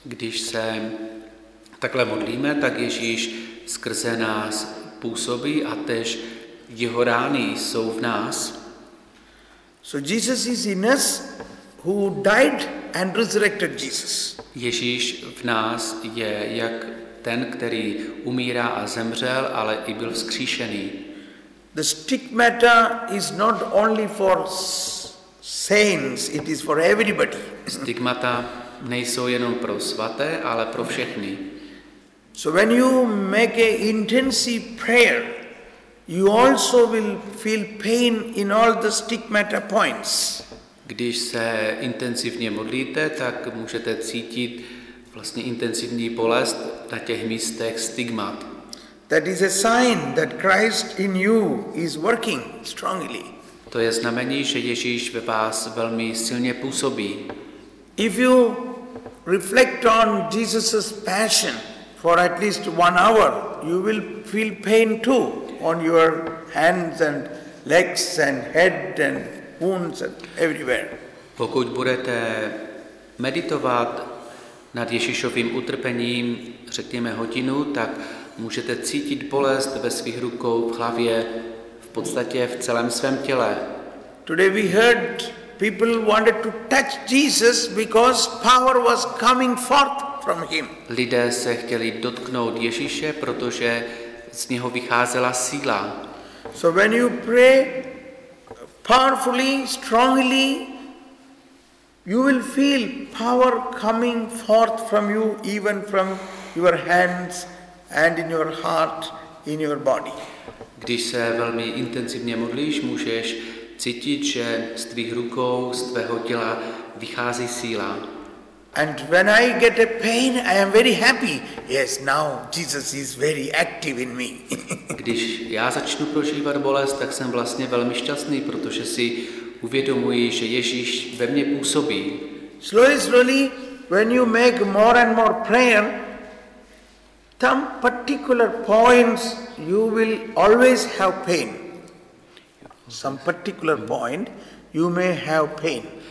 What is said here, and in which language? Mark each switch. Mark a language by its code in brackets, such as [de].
[cs] Když se takhle modlíme, tak Ježíš skrze nás působí a též jeho rány jsou v nás. [en] So Jesus is in us, who died and resurrected Jesus. [cs] Ježíš v nás je jak ten, který umírá a zemřel, ale i byl vzkříšený. [en] The stigmata is not only for saints, it is for everybody. [cs] Stigmata nejsou jenom pro svaté, ale pro všechny. [en] So when you make an intensive prayer, you also will feel pain in all the stigmata points. [cs] Když se intenzivně modlíte, tak můžete cítit vlastně intenzivní bolest na těch místech stigmat. [en] That is a sign that Christ in you is working strongly. [cs] To je znamení, že Ježíš ve vás velmi silně působí. [en] If you reflect on Jesus's passion for at least one hour, you will feel pain too on your hands and legs and head and wounds everywhere. [cs] Pokud budete meditovat nad Ježíšovým utrpením, řekněme hodinu, tak můžete cítit bolest ve svých rukou, v hlavě, v podstatě v celém svém těle. [en] Today we heard people wanted to touch Jesus because power was coming forth from him. [cs] Lidé se chtěli dotknout Ježíše, protože z něho vycházela síla. [en] So when you pray powerfully, strongly, you will feel power coming forth from you, even from your hands and in your heart, in your body. [cs] Když se velmi intenzivně modlíš, můžeš cítit, že z tvých rukou, z tvého těla vychází síla. [en] And when I get a pain, I am very happy. Yes, now Jesus is very active in me. [cs] Když já začnu prožívat bolest, tak jsem vlastně velmi šťastný, protože si uvědomuji, že Ježíš ve mně působí. [en] Slowly, when you make more and more prayer, some particular points you will always have pain. Some particular point you may have pain.